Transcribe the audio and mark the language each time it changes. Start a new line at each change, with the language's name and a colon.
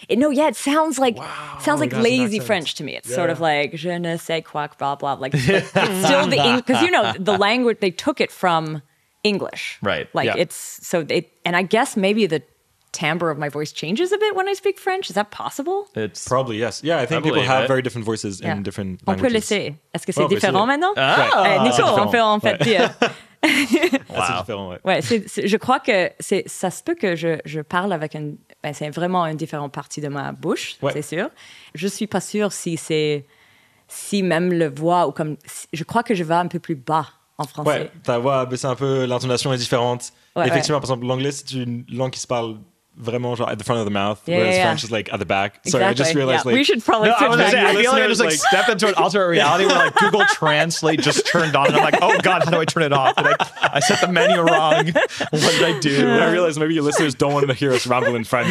English: It sounds like lazy French to me. It's sort of like je ne sais quoi, blah blah. Like it's still the English, because you know the language they took it from English, right? Like it's so they, and I guess maybe the timbre of my voice changes a bit when I speak French. Is that possible? It's probably yes. Yeah, I think people have very different voices in different languages.
French: On peut laisser. Est-ce que c'est différent maintenant? Nico, on peut en fait dire. Wow. Ouais, je crois que ça se peut que je parle avec une. Ben c'est vraiment une différente partie de ma bouche, c'est sûr. Je suis pas sûre si c'est. Si même le voix ou comme. Si, je crois que je vais un peu plus bas en français. Ouais, ta voix, c'est un peu. L'intonation est différente. Ouais, effectivement, par exemple, l'anglais, c'est une langue qui se parle. Vraiment genre
English: at the front of the mouth, whereas French is like at the back. Sorry, exactly. I just realized We should probably I was gonna say, I feel like I just like step into an alternate reality where like Google Translate just turned on and I'm like, oh god, how do I turn it off? I set the menu wrong. What did I do? I realized maybe your listeners don't want to hear us ramble in French.